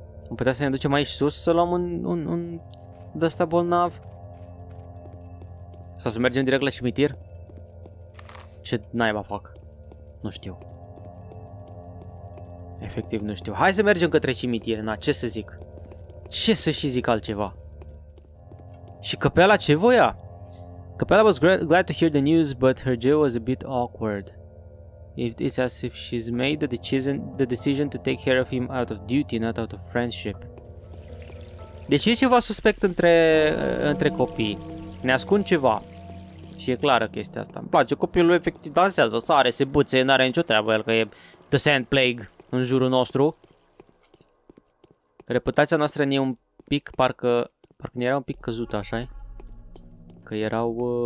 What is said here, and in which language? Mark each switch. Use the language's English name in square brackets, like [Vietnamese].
[Romanian] Am putea să ne ducem aici sus să luăm un de-asta bolnav. Sau să mergem direct la cimitir. Ce naiba fac? Nu știu. Efectiv nu știu. Hai să mergem către cimitir, na, ce să zic? Ce să și zic altceva? Și căpela ce voia? [English] Căpela was glad to hear the news, but her jaw was a bit awkward. It's as if she's made the decision to take care of him out of duty, not out of friendship. [Romanian] Deci e ceva suspect între copii. Ne ascund ceva. Și e clară chestia asta. Îmi place, copilul efectiv dansează, sare, se buțe, n-are nicio treabă el că e the sand plague. În jurul nostru. Reputația noastră ne e un pic, parcă ne era un pic căzută, așa-i? Că erau...